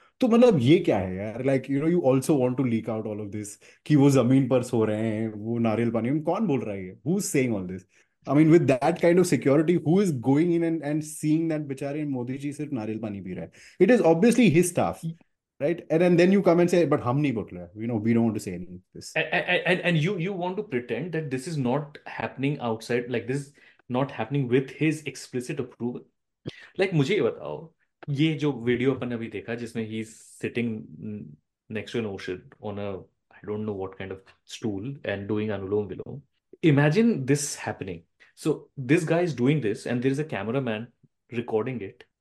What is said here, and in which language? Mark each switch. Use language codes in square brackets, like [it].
[hi] तो मतलब ये क्या है यार, [en] like you know you also want to leak out all of this, [hi] कि वो जमीन पर सो रहे हैं, वो नारियल पानी, कौन बोल रहा है, [en] Who is saying all this? I mean with that kind of security, who is going in and seeing that [hi] बेचारे मोदी जी सिर्फ नारियल पानी पी रहा है? [en] It is obviously his staff, right? And then you come and say, but [hi] हम नहीं बोल रहे, [en] You know we don't want to say anything this. And you want to pretend that this is not happening outside, like this is not happening with his explicit approval. Like [hi] मुझे ये बताओ, ये जो video अपन अभी देखा जिसमें [en] He sitting next to an ocean on a I don't know what kind of stool and doing anulom vilom. Imagine this happening. So this guy is doing this and there is a cameraman recording it.